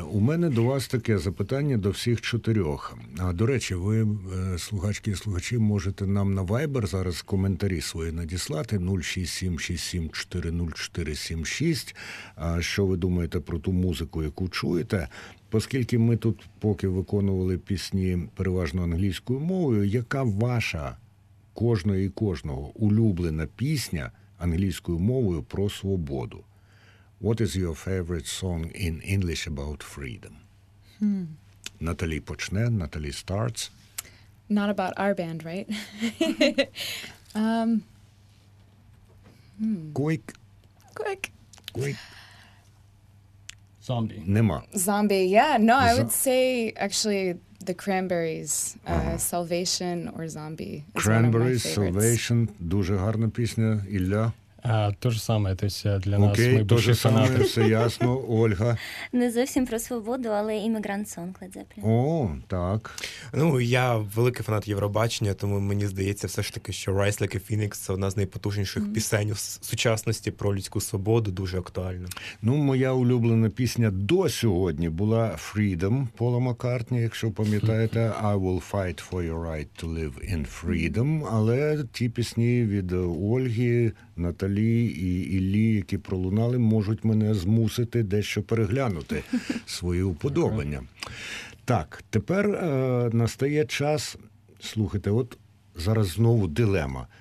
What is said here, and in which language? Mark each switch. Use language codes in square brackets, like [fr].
[uk] У мене до вас таке запитання до всіх чотирьох. А, до речі, ви, слухачки і слухачі, можете нам на Viber зараз коментарі свої надіслати 0676740476. Що ви думаєте про ту музику, яку чуєте? Оскільки ми тут поки виконували пісні переважно англійською мовою, яка ваша, кожної і кожного, улюблена пісня англійською мовою про свободу? [en] What is your favorite song in English about freedom? [uk] Наталі почне, Наталі starts. [en] Not about our band, right? Quick. Zombie. [uk] Нема. [en] Zombie, yeah. No, I would say, actually, The Cranberries, Salvation or Zombie. [uk] Cranberries, Salvation, дуже гарна пісня, Ілля. [ru] То же самое, то есть для нас мы больше фанаты. Окей, то же самое, все ясно, Ольга. [uk] Не зовсім про свободу, але іммігрант сонг Лед Зеппелін. О, так. Ну, я великий фанат Євробачення, тому мені здається все ж таки, що Rise Like a Phoenix – це одна з найпотужніших пісень в сучасності про людську свободу, дуже актуальна. Ну, моя улюблена пісня до сьогодні була Freedom Пола Маккартні, якщо пам'ятаєте. [en] I will fight for your right to live in freedom. [uk] Але ті пісні від Ольги, Наталі і Іллі, які пролунали, можуть мене змусити дещо переглянути свої уподобання. Так, тепер настає час, слухайте, от зараз знову дилема.